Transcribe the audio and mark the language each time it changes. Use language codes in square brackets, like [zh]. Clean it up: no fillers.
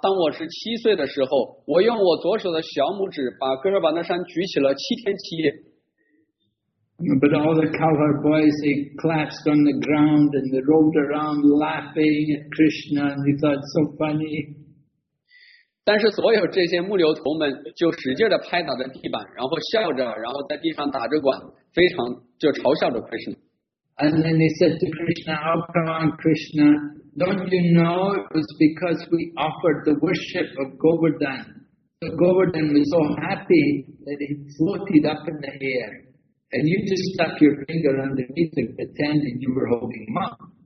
[zh] 当我是七岁的时候，我用我左手的小拇指把哥尔巴那山举起了七天七夜。 [en] But all the cowherd boys, they collapsed on the ground and they rolled around laughing at Krishna and they thought so funny. [zh] 但是所有这些牧牛童们就使劲地拍打着地板，然后笑着，然后在地上打着滚，非常就嘲笑着 Krishna. [en] And then they said to Krishna, oh come on Krishna, don't you know it was because we offered the worship of Govardhan. So Govardhan was so happy that he floated up in the air. And you just stuck your finger underneath it, pretending you were holding him up.